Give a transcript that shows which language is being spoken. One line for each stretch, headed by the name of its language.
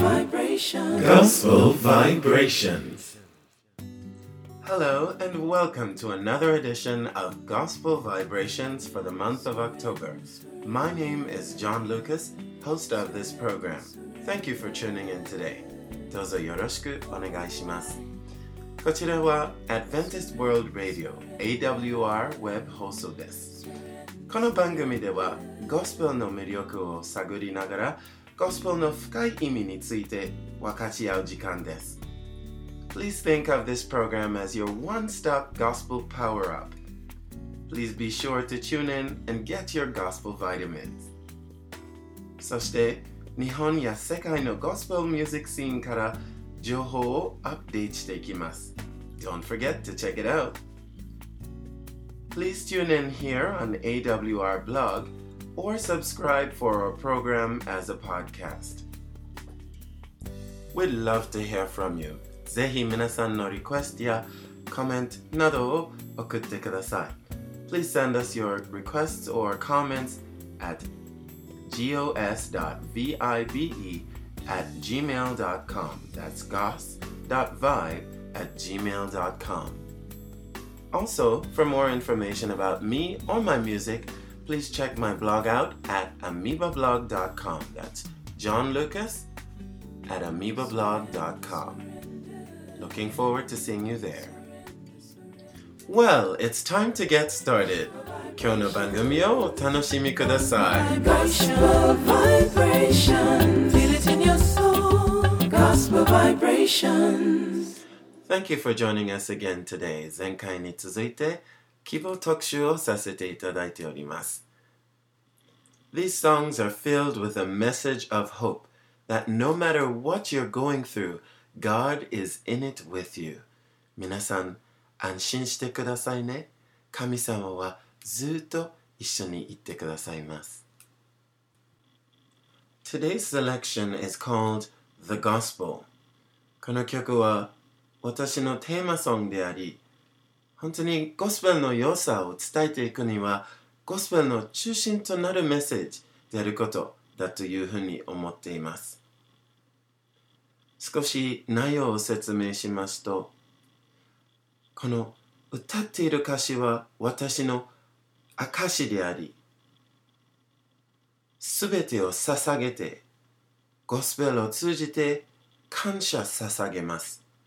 English: vibrations. Gospel vibrations. Hello and welcome to another edition of Gospel Vibrations for the month of October. My name is John Lucas, host of this program. Thank you for tuning in today.
Japanese: どうぞよろしくお願いします。こちらは Adventist World Radio, AWR web 放送です。この番組では、ゴスペルの魅力を探りながら、ゴスペルの深い意味について分かち合う時間です。
English: Please think of this program as your one-stop gospel power-up. Please be sure to tune in and get your gospel vitamins.
Japanese: そして、日本や世界のゴスペルミュージックシーンから情報をアップデートしていきます。
English: Don't forget to check it out. Please tune in here on AWR blog or subscribe for our program as a podcast. We'd love to hear from you.
Japanese: ぜひ皆さんのリクエストやコメントなどを送ってください。
English: Please send us your requests or comments at gos.vibe@gmail.com. That's gos.vibe@gmail.com. Also, for more information about me or my music, please check my blog out at amoebablog.com. That's John Lucas at amoebablog.com. Looking forward to seeing you there. Well, it's time to get started.
Japanese: 今日の番組をお楽しみください。
English: Gospel vibrations. Feel it in your soul. Gospel vibrations. Thank you for joining us again today.
Japanese: 前回に続いて希望特集をさせていただいております。
English: These songs are filled with a message of hope that no matter what you're going through,God is in it with you.
Japanese: 皆さん、安心してくださいね。神様はずっと一緒にいてくださいます。
English: Today's selection is called The Gospel.
Japanese: この曲は私のテーマソングであり、本当にゴスペルの良さを伝えていくには、ゴスペルの中心となるメッセージであることだというふうに思っています。少し内容を説明しますと、この歌っている歌詞は私の証であり、すべてを捧げて、ゴスペルを通じて感謝捧げます。